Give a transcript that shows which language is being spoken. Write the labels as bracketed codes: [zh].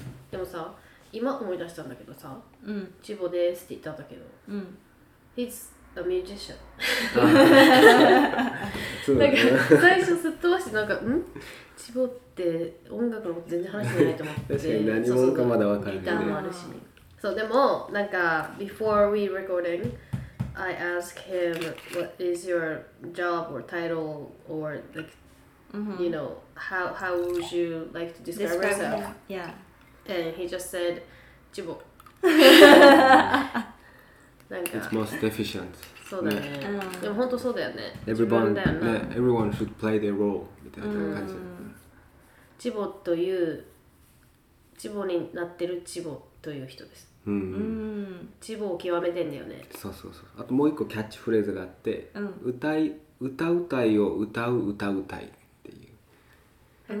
[ja] でもさ、今思い出したんだけどさ、うん、チボですって言ったんだけど、うん、 [en] he's a musician。 [ja] なんか最初すっ飛ばしてなんか、ん？チボって音楽のこと全然話してないと思って確かに何者かまだ分かんないね。ギターもあるし。そう、でもなんか [en] before we recording I ask him what is your job or title or like、 mm-hmm. you know how would you like to describe yourself? Yeah. And he just said チボ。 [ja] なんか [en] It's most efficient. [ja] そうだね。でも本当そうだよね。 [en] Everyone, yeah, everyone should play their role [ja] みたいな感じ。チボというチボになってるチボという人です。うん。チボを極めてんだよね。そうそうそう。あともう一個キャッチフレーズがあって、うん、歌うたいっていう。